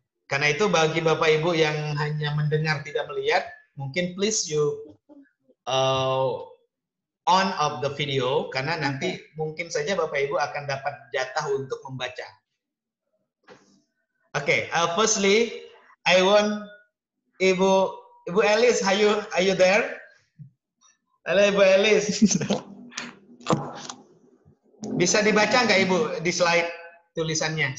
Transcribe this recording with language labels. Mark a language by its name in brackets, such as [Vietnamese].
[Indonesian] Karena itu bagi Bapak Ibu yang hanya mendengar tidak melihat, mungkin [English] please you on of the video, [Indonesian] karena nanti mungkin saja Bapak-Ibu akan dapat jatah untuk membaca. [English] Oke, okay, firstly, I want Ibu Elis, are you there? [Indonesian] Halo Ibu Elis. Bisa dibaca nggak Ibu di slide tulisannya?